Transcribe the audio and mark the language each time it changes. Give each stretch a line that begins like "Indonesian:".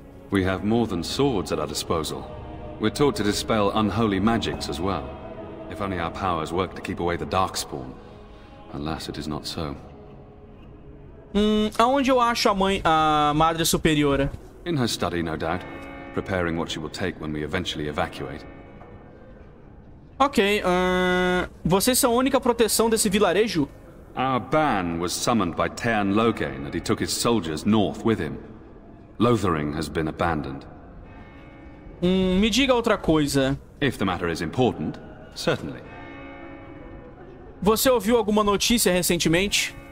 English: We have more than swords at our disposal. We're taught to dispel unholy magics as well. If only our powers work to keep away the darkspawn. Alas, it is not so.
Portuguese: Aonde eu acho a madre superiora?
English: In her study, no doubt, preparing what she will take when we eventually evacuate.
Portuguese: Ok, vocês são a única proteção desse vilarejo?
English: Our ban was summoned by Tan Logain, and he took his soldiers north with him. Lothering has been abandoned.
Portuguese: Me diga outra coisa.
English: If the matter is important, certainly.
Portuguese: Você ouviu alguma notícia recentemente?